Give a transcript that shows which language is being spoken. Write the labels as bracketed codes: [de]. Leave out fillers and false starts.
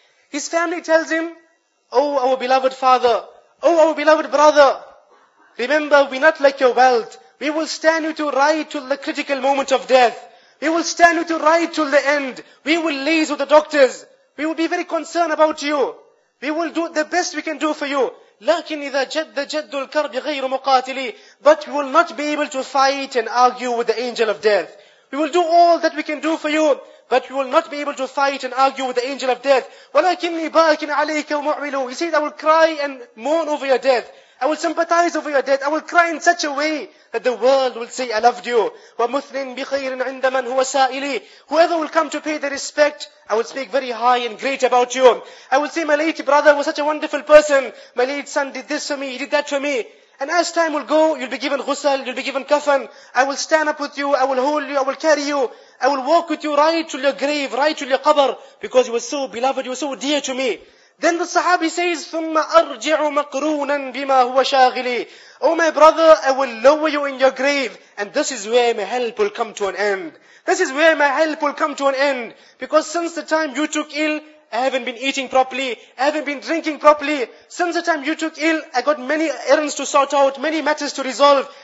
[en] His family tells him, oh our beloved father, oh our beloved brother, remember we not like your wealth. We will stand you to ride till the critical moment of death. We will stand you to ride till the end. We will liaise with the doctors. We will be very concerned about you. We will do the best we can do for you. [ar] لكن إذا جد جد الكرب غير مقاتلي. [en] But we will not be able to fight and argue with the angel of death. We will do all that we can do for you. But we will not be able to fight and argue with the angel of death. [ar] ولكني باكن عليك ومعول. [en] He says, I will cry and mourn over your death. I will sympathize over your death. I will cry in such a way that the world will say, I loved you. [ar] وَمُثْنٍ بِخَيْرٍ عِنْدَ مَنْ هُوَ سَائِلِي. [en] Whoever will come to pay the respect, I will speak very high and great about you. I will say, my late brother was such a wonderful person. My late son did this for me, he did that for me. And as time will go, you'll be given ghusl, you'll be given kafan. I will stand up with you, I will hold you, I will carry you. I will walk with you right to your grave, right to your qabr. Because you were so beloved, you were so dear to me. Then the Sahabi says, [ar] ثُمَّ أَرْجِعُ مَقْرُونًا بِمَا هُوَ شَاغِلِي. [en] Oh my brother, I will lower you in your grave. And this is where my help will come to an end. This is where my help will come to an end. Because since the time you took ill, I haven't been eating properly. I haven't been drinking properly. Since the time you took ill, I got many errands to sort out, many matters to resolve.